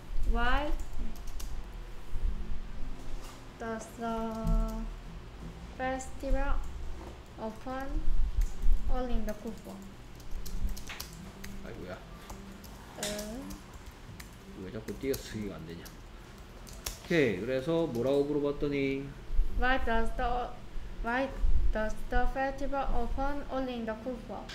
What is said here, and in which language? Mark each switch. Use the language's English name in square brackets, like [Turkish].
[English] Why does the festival open only in the cool fall? [Korean] 아이고야 왜 자꾸 띄어쓰기가 안 되냐. 오케이. 그래서 뭐라고 물어봤더니 [English] Why does the festival open only in the cool fall?